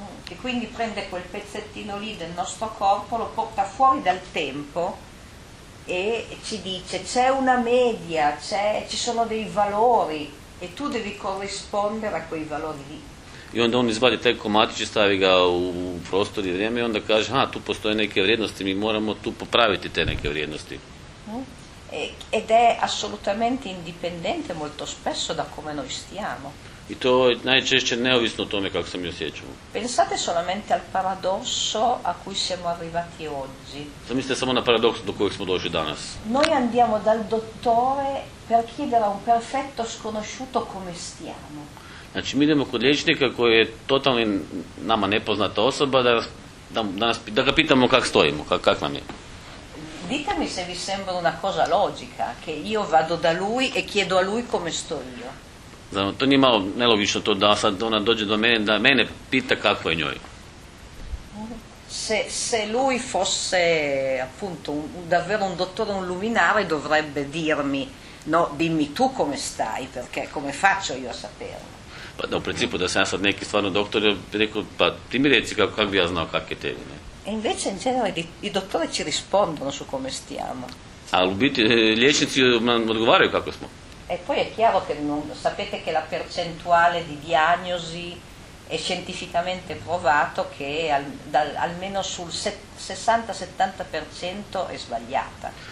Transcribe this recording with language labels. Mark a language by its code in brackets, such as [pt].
[it] E quindi prende quel pezzettino lì del nostro corpo, lo porta fuori dal tempo e ci dice c'è una media, ci sono dei valori e tu devi corrispondere a quei valori lì. [hr] I onda on izvadi taj komadić i stavi ga u prostor i vrijeme i onda kaže, ha, tu postoje neke vrijednosti, mi moramo tu popraviti te neke vrijednosti. [it] Ed è assolutamente indipendente molto spesso da come noi stiamo. [hr] I to je najčešće neovisno o tome kako se mi osjećamo. [it] Pensate solamente al paradosso a cui siamo arrivati oggi. [hr] Zamislite samo na paradoks do kojeg smo došli danas. [it] Noi andiamo dal dottore per chiedere a un perfetto sconosciuto come stiamo. [hr] Znači, mi idemo kod liječnika koji je totalno nama nepoznata osoba da ga pitamo kak stojimo, kak nam je. [it] Dite mi se vi sembra una cosa logica, che io vado da lui e chiedo a lui come sto io. [hr] Znači, to nije malo nelogično to da sad ona dođe do mene, da mene pita kako je njoj. [it] Se lui fosse appunto davvero un dottore, un luminare, dovrebbe dirmi, no, dimmi tu come stai, perché come faccio io a saperlo. [hr] Pa da, u principu da sam ja sad neki stvarno doktor, rekao, pa ti mi reci kako bi ja znao kak je tebi, ne? [it] E invece in genere i dottori ci rispondono su come stiamo. [hr] Ali u biti liječnici nam odgovaraju kako smo. [it] E poi è chiaro che sapete che la percentuale di diagnosi è scientificamente provato che almeno sul 60-70% è sbagliata.